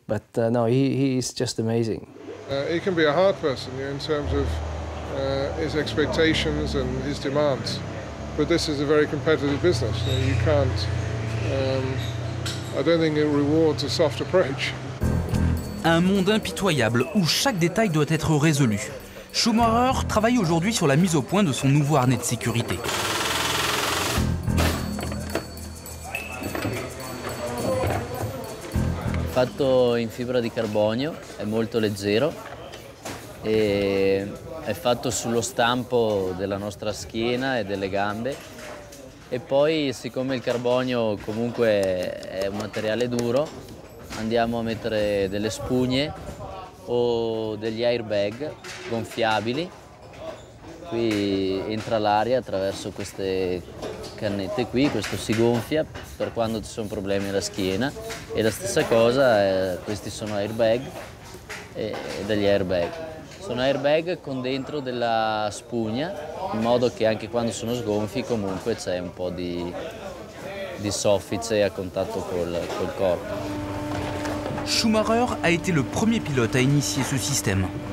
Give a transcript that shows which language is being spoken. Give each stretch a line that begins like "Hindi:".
English: But no, he is just amazing. He can be a hard person, you know, in terms of his expectations and his demands. But this is a very competitive business. You know, you can't. I don't think it rewards a soft approach.
French: Un monde impitoyable où chaque détail doit être résolu. Schumacher travaille aujourd'hui sur la mise au point de son nouveau harnais de sécurité.
Italian: Fatto in fibra di carbonio, è molto leggero, è fatto sullo stampo della nostra schiena e delle gambe. E poi, siccome il carbonio comunque è un materiale duro, andiamo a mettere delle spugne o degli airbag gonfiabili. Qui entra l'aria attraverso queste cannette qui, questo si gonfia per quando ci sono problemi alla schiena. E la stessa cosa, questi sono airbag e degli airbag. Sono airbag con dentro della spugna, in modo che anche quando sono sgonfi comunque c'è un po' di soffice a contatto col corpo.
French: Schumacher a été le premier pilote à initier ce système.